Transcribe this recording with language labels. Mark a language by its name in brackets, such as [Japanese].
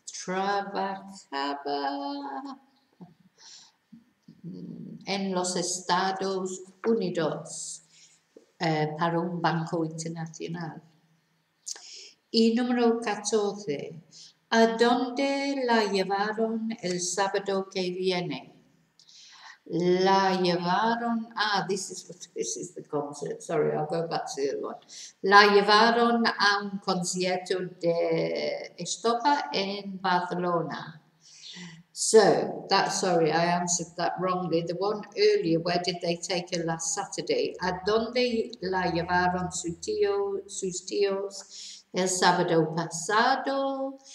[Spanish] Trabajaba en los Estados Unidos, para un banco internacional. Y número 14, ¿a dónde la llevaron el sábado que viene? La llevaron, [English] this is the concert, sorry, I'll go back to the other one. [Spanish] La llevaron a un concierto de Estopa en Barcelona. [English] So, that, sorry, I answered that wrongly. The one earlier, where did they take her last Saturday? [Spanish] ¿A dónde la llevaron sus tíos el sábado pasado?